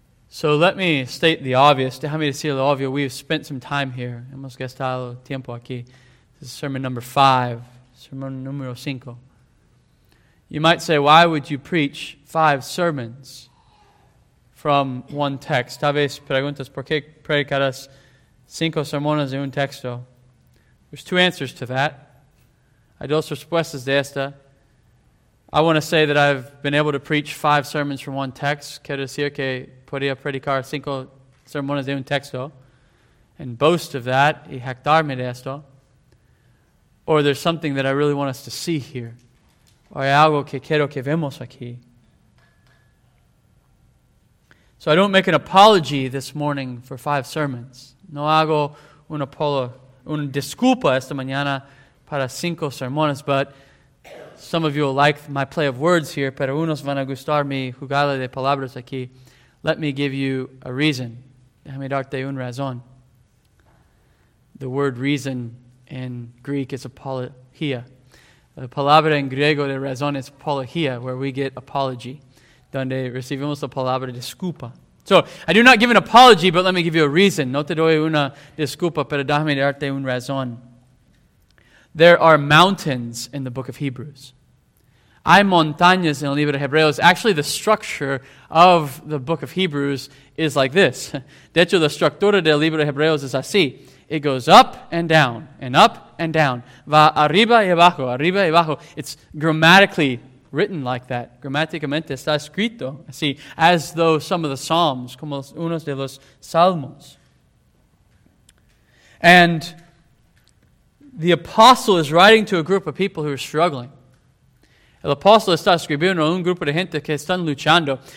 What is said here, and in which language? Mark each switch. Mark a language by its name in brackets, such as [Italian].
[English] So let me state the obvious. [Spanish] Déjame decir lo obvio. [English] We have spent some time here. [Spanish] Hemos gastado tiempo aquí. [English] This is sermon number 5. [Spanish] Sermon número 5. [English] You might say, why would you preach 5 sermons from one text? [Spanish] Tal vez preguntas, ¿por qué predicarás 5 sermones en un texto? [English] There's 2 answers to that. [Spanish] Hay 2 respuestas de esta. [English] I want to say that I've been able to preach 5 sermons from one text. [Spanish] Quiero decir que podría predicar 5 sermones de un texto [English] and boast of that [Spanish] y jactarme de esto. [English] Or there's something that I really want us to see here. [Spanish] O hay algo que quiero que vemos aquí. [English] So I don't make an apology this morning for 5 sermons. [Spanish] No hago una disculpa esta mañana para 5 sermones, [English] but some of you will like my play of words here, [Spanish] pero unos van a gustar mi jugada de palabras aquí. [English] Let me give you a reason. [Spanish] Déjame darte un razón. [English] The word reason in Greek is apologia. [Spanish] La palabra en griego de razón es apologia, [English] where we get apology, [Spanish] donde recibimos la palabra disculpa. [English] So, I do not give an apology, but let me give you a reason. [Spanish] No te doy una disculpa, pero déjame darte un razón. [English] There are mountains in the book of Hebrews. [Spanish] Hay montañas en el libro de Hebreos. [English] Actually, the structure of the book of Hebrews is like this. [Spanish] De hecho, la estructura del libro de Hebreos es así. [English] It goes up and down, and up and down. [Spanish] Va arriba y abajo, arriba y abajo. [English] It's grammatically written like that. [Spanish] Grammaticamente está escrito así, [English] as though some of the Psalms, [Spanish] como unos de los Salmos. [English] And the apostle is writing to a group of people who are struggling. [Spanish] El apóstol está escribiendo a un grupo de gente que están luchando.